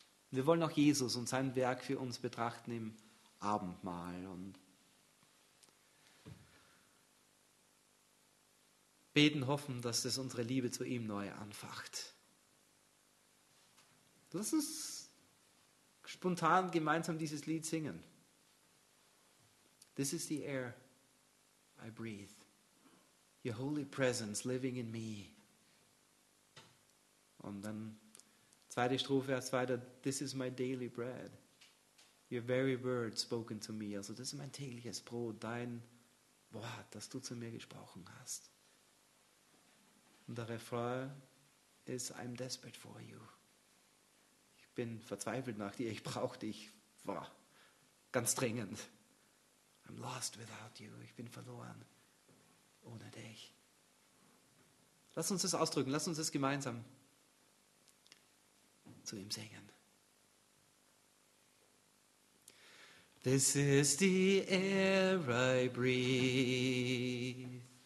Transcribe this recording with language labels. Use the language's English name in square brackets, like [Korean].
[German] Wir wollen auch Jesus und sein Werk für uns betrachten im Abendmahl und beten, hoffen, dass es unsere Liebe zu ihm neu anfacht. Lass uns spontan gemeinsam dieses Lied singen. [English] This is the air I breathe. Your holy presence living in me. [German] Und dann zweite Strophe, erst weiter. [English] This is my daily bread. Your very word spoken to me. [German] Also das ist mein tägliches Brot, dein Wort, das du zu mir gesprochen hast. Und der Refrain ist, [English] I'm desperate for you. [German] Ich bin verzweifelt nach dir, ich brauche dich. Boah, ganz dringend. [English] I'm lost without you. [German] Ich bin verloren ohne dich. Lass uns das ausdrücken, lass uns das gemeinsam zu ihm singen. [English] This is the air I breathe.